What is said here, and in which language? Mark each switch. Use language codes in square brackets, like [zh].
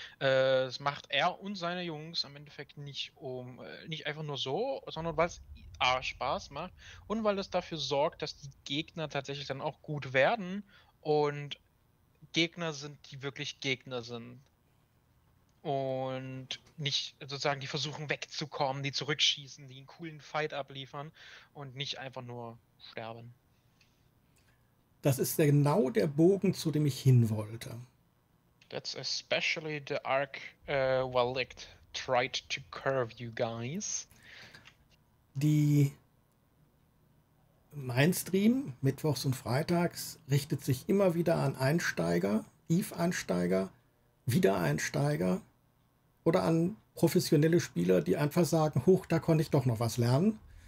[de] Das macht er und seine Jungs am Endeffekt nicht einfach nur so, sondern weil es Spaß macht und weil es dafür sorgt, dass die Gegner tatsächlich dann auch gut werden und Gegner sind, die wirklich Gegner sind. Und nicht sozusagen, die versuchen wegzukommen, die zurückschießen, die einen coolen Fight abliefern und nicht einfach nur sterben. Das ist genau der Bogen, zu dem ich hin wollte. [en] That's especially the arc Valdek tried to curve you guys. [de] Die Mein Stream, mittwochs und freitags, richtet sich immer wieder an Einsteiger, EVE-Einsteiger, Wiedereinsteiger oder an professionelle Spieler, die einfach sagen, huch, da konnte ich doch noch was lernen.